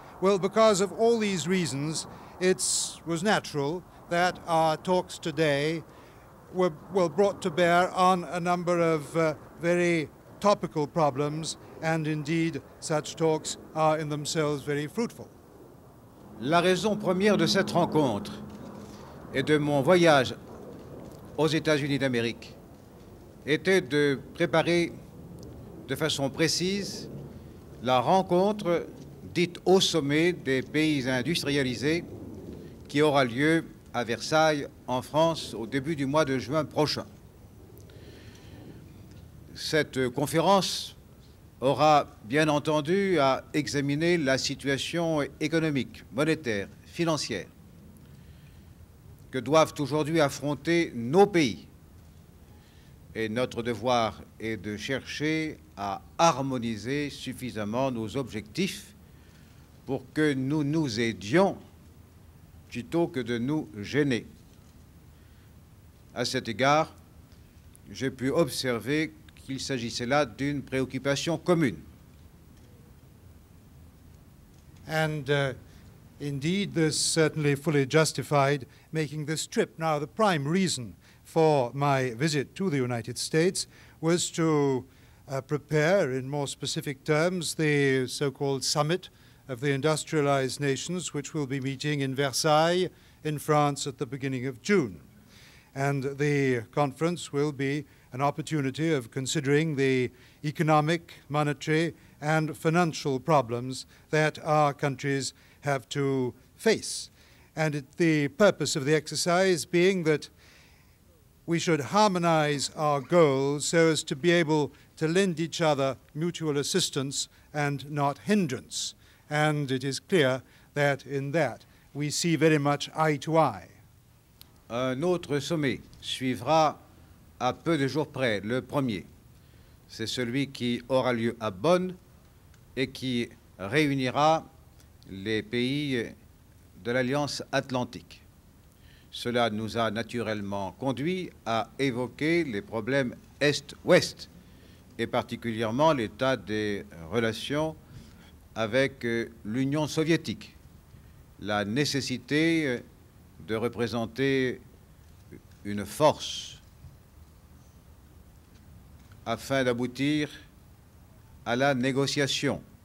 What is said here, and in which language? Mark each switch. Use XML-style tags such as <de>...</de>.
<en>Well, because of all these reasons, it was natural that our talks today were brought to bear on a number of very topical problems, and indeed such talks are in themselves very fruitful.</en> <fr>La raison première de cette rencontre et de mon voyage aux États-Unis d'Amérique était de préparer de façon précise la rencontre dite au sommet des pays industrialisés qui aura lieu à Versailles, en France, au début du mois de juin prochain. Cette conférence aura bien entendu à examiner la situation économique, monétaire, financière que doivent aujourd'hui affronter nos pays. Et notre devoir est de chercher à harmoniser suffisamment nos objectifs pour que nous nous aidions plutôt que de nous gêner. À cet égard, j'ai pu observer qu'il s'agissait là d'une préoccupation commune.</fr> <en>And indeed, this certainly fully justified making this trip. Now, the prime reason for my visit to the United States was to prepare, in more specific terms, the so-called summit of the industrialized nations, which will be meeting in Versailles in France at the beginning of June. And the conference will be an opportunity of considering the economic, monetary, and financial problems that our countries have to face. And the purpose of the exercise being that we should harmonize our goals so as to be able to lend each other mutual assistance and not hindrance. And it is clear that in that we see very much eye to eye.</en> <fr>Un autre sommet suivra à peu de jours près, le premier. C'est celui qui aura lieu à Bonn et qui réunira les pays de l'Alliance Atlantique. Cela nous a naturellement conduit à évoquer les problèmes Est-Ouest et particulièrement l'état des relations avec l'Union soviétique, la nécessité de représenter une force afin d'aboutir à la négociation.</fr>